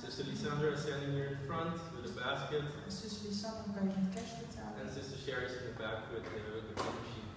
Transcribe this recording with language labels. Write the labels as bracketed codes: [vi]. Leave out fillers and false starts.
[en] Sister Lisandra is standing here in front with a basket. [nl] En Sister Lisandra kan je met cash betalen. [en] And Sister Sherry is in the back with the machine.